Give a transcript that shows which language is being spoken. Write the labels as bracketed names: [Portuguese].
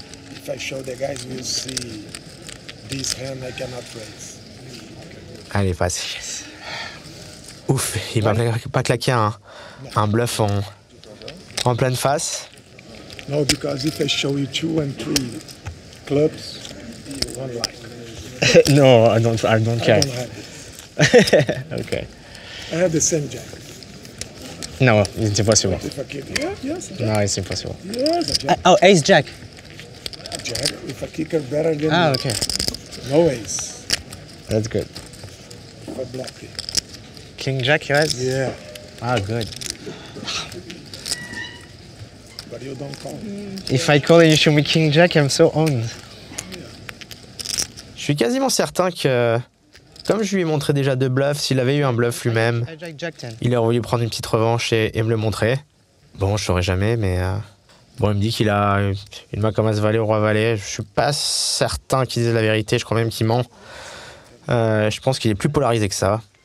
[English] If I show the guys, you see this hand, I cannot raise. [French] Okay. Allez, passe. [English] Yes. [French] Ouf, il va pas claquer un bluff en... En pleine face. [English] No, because if I show you two and three clubs, you won't like. No, I don't care. I don't have it. Okay. I have the same jack. No, it's impossible. If I keep it, yes. No, it's impossible. Yes. Jack. Oh, ace jack. Jack. If I kick it better than. Ah, okay. No ace. That's good. If I block it. King jack, right? Yeah. Ah, good. But you don't call. If I call and you show me King Jack, I'm so owned. [French] Je suis quasiment certain que, comme je lui ai montré déjà deux bluffs, s'il avait eu un bluff lui-même, il aurait voulu prendre une petite revanche et me le montrer. Bon, je saurais jamais, mais... Bon, il me dit qu'il a une main comme As-Valet ou Roi-Valet. Je suis pas certain qu'il dise la vérité, je crois même qu'il ment. Je pense qu'il est plus polarisé que ça.